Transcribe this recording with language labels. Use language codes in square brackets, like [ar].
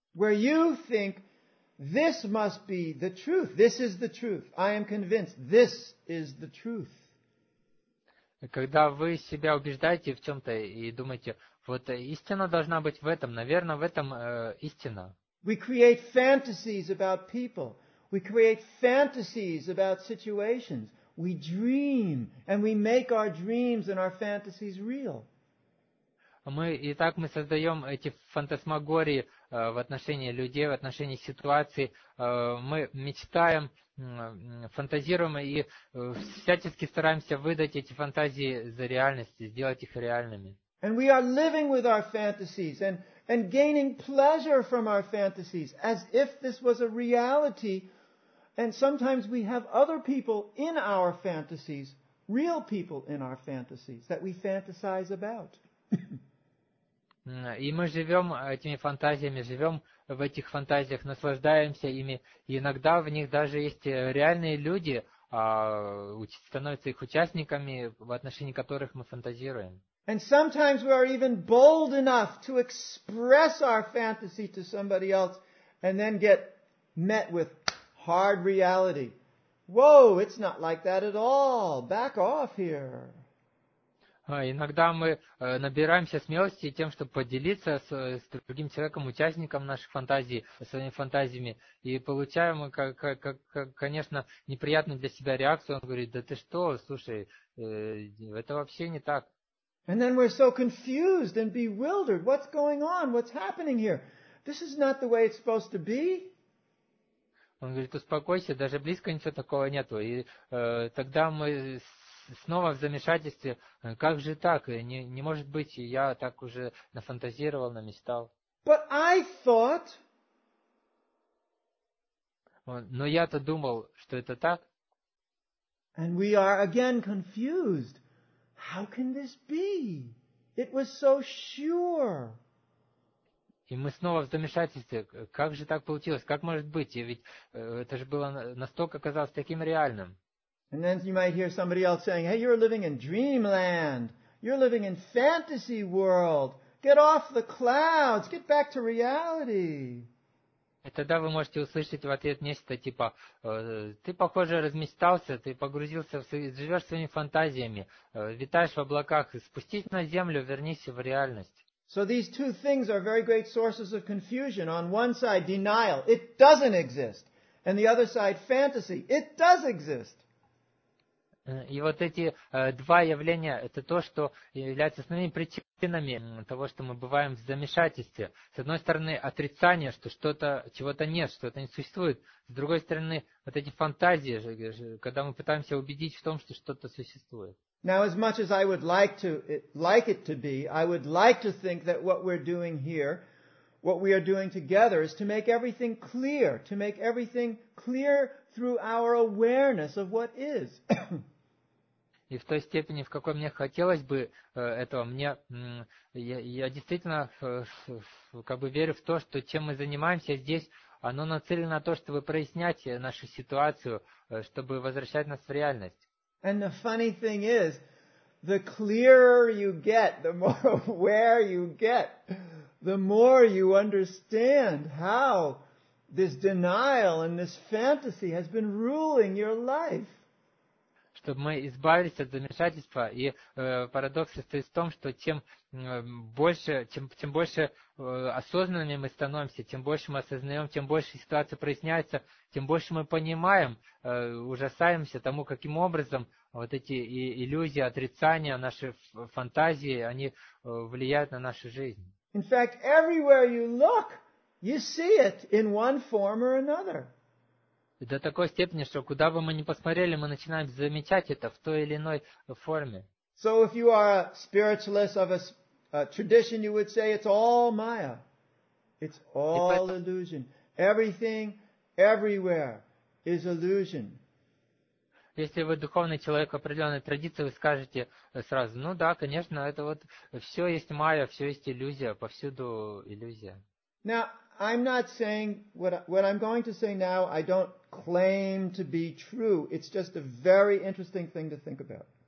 [en] Where you think, this must be the truth, this is the truth, I am convinced, this is the truth. [ru] Когда вы себя убеждаете в чем-то и думаете, вот истина должна быть в этом, наверное, в этом истина. [en] We create fantasies about people. We create fantasies about situations. We dream, and we make our dreams and our fantasies real. [ru] мы и так мы создаем эти фантасмагории в отношении людей, в отношении ситуации. Мы мечтаем, фантазируем и всячески стараемся выдать эти фантазии за реальность, сделать их реальными. [en] And we are living with our fantasies and gaining pleasure from our fantasies as if this was a reality. And sometimes we have other people in our fantasies, real people in our fantasies that we fantasize about. [ru] И мы живем этими фантазиями, живем в этих фантазиях, наслаждаемся ими. И иногда в них даже есть реальные люди, становятся их участниками, в отношении которых мы фантазируем. [en] And sometimes we are even bold enough to express our fantasy to somebody else and then get met with hard reality. Whoa, it's not like that at all. Back off here. [ru] Иногда мы набираемся смелости тем, чтобы поделиться с другим человеком, участником наших фантазий, своими фантазиями, и получаем, конечно, неприятную для себя реакцию. Он говорит, да ты что, слушай, это вообще не так. [en] And then we're so confused and bewildered. What's going on? What's happening here? This is not the way it's supposed to be. [ru] Он говорит, успокойся, даже близко ничего такого нету. И тогда мы снова в замешательстве. Как же так? Не может быть, я так уже нафантазировал, намечтал. [en] But I thought... [ru] Но я-то думал, что это так. [en] And we are again confused. How can this be? It was so sure. [ru] И мы снова в замешательстве. Как же так получилось? Как может быть? Ведь это же было настолько казалось таким реальным. [en] And then you might hear somebody else saying, "Hey, you're living in dreamland. You're living in fantasy world. Get off the clouds. Get back to reality." [ru] И тогда вы можете услышать в ответ нечто типа, ты, похоже, размечтался, ты погрузился, живешь своими фантазиями, витаешь в облаках, спустись на землю, вернись в реальность. [en] So these two things are very great sources of confusion. On one side, denial, it doesn't exist. And the other side, fantasy, it does exist. [ru] И вот эти два явления, это то, что является основными причинами того, что мы бываем в замешательстве. С одной стороны, отрицание, что что-то, чего-то нет, что-то не существует. С другой стороны, вот эти фантазии, когда мы пытаемся убедить в том, что что-то существует. [en] Now, as much as I would like it to be, I would like to think that what we're doing here, what we are doing together, is to make everything clear, to make everything clear through our awareness of what is. [ru] И в той степени, в какой мне хотелось бы этого, я действительно как бы верю в то, что чем мы занимаемся здесь, оно нацелено на то, чтобы прояснять нашу ситуацию, чтобы возвращать нас в реальность. [en] And the funny thing is, the clearer you get, the more aware you get, the more you understand how this denial and this fantasy has been ruling your life. [ru] Чтобы мы избавились от замешательства. И парадокс состоит в том, что чем больше осознанными мы становимся, тем больше мы осознаем, тем больше ситуация проясняется, тем больше мы понимаем, ужасаемся тому, каким образом вот эти иллюзии, отрицания, наши фантазии, они влияют на нашу жизнь. [en] In fact, everywhere you look, you see it in one form or another. [ru] До такой степени, что куда бы мы ни посмотрели, мы начинаем замечать это в той или иной форме. [en] So if you are a spiritualist of a tradition, you would say it's all Maya. It's all illusion. Everything, everywhere is illusion. [ru] Если вы духовный человек определенной традиции, вы скажете сразу, ну да, конечно, это вот все есть Майя, все есть иллюзия, повсюду иллюзия. [en] Now, I'm not saying what I'm going to say now, I don't claim to be true. It's just a very interesting thing to think about.